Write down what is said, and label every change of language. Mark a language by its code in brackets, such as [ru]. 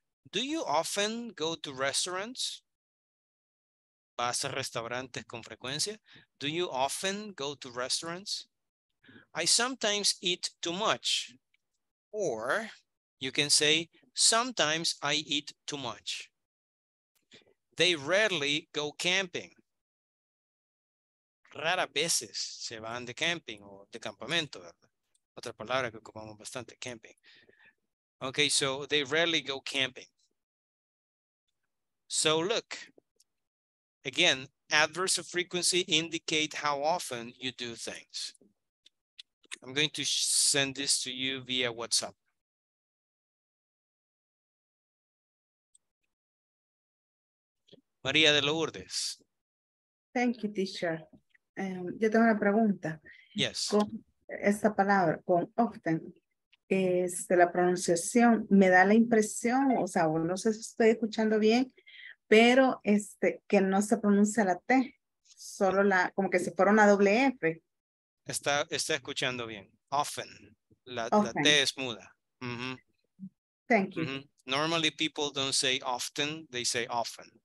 [en] Do you often go to restaurants? [es] ¿Vas a restaurantes con frecuencia? [en] Do you often go to restaurants? I sometimes eat too much. Or you can say, sometimes I eat too much. They rarely go camping. [es] Rara veces se van de camping o de campamento, ¿verdad? Otra palabra que ocupamos bastante, camping. [en] Okay, so they rarely go camping. So look, again, adverbs of frequency indicate how often you do things. I'm going to send this to you via WhatsApp. María de Lourdes. Thank you, teacher. [es] Yo tengo una pregunta. [en] Yes. [es] Esta palabra con often es de la pronunciación, me da la impresión, o sea, no sé si estoy escuchando bien, pero que no se pronuncia la T, solo la, como que si fuera una doble F. Está escuchando bien, often, la T es muda. Mm-hmm. [en] Thank you. Mm-hmm. Normally people don't say often, they say often.